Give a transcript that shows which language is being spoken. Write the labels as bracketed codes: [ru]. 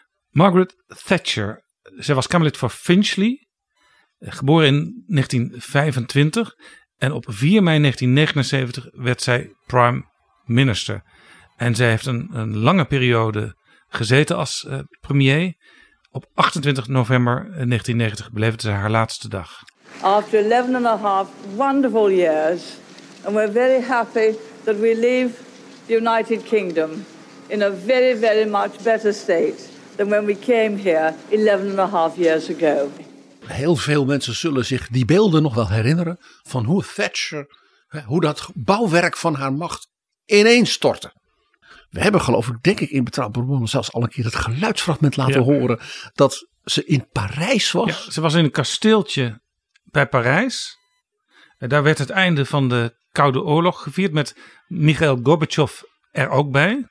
[nl] Margaret Thatcher, zij was Kamerlid voor Finchley, geboren in 1925 en op 4 mei 1979 werd zij Prime Minister. En zij heeft een lange periode gezeten als premier. Op 28 november 1990 beleefde ze haar laatste dag. [en] After 11 and a half wonderful years, and we're very happy that we leave the United Kingdom in a very, very much better state than when we came here 11 and a half years ago. [nl] Heel veel mensen zullen zich die beelden nog wel herinneren van hoe Thatcher, hoe dat bouwwerk van haar macht ineens stortte. We hebben geloof ik, denk ik in Betrouwbare Bronnen zelfs al een keer het geluidsfragment laten horen dat ze in Parijs was. Ja, ze was in een kasteeltje bij Parijs. En daar werd het einde van de Koude Oorlog gevierd met Michail Gorbachev er ook bij.